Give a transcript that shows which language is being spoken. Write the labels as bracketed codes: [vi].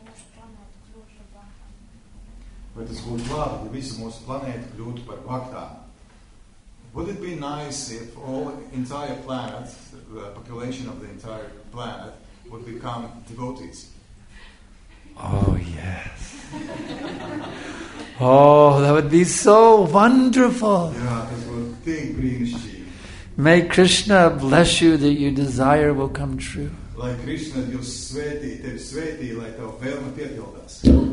[lv] Vai tas būtu labi, ja visu mūsu planētu kļūtu par vaktā? [en] Would it be nice if all entire planet, the population of the entire planet, would become devotees? Oh, yes. Oh, that would be so wonderful. Yeah, may Krishna bless you that your desire will come true. [lv] Lai Krishna jūs svētī, tev svētī, lai tev vēlme piepildās.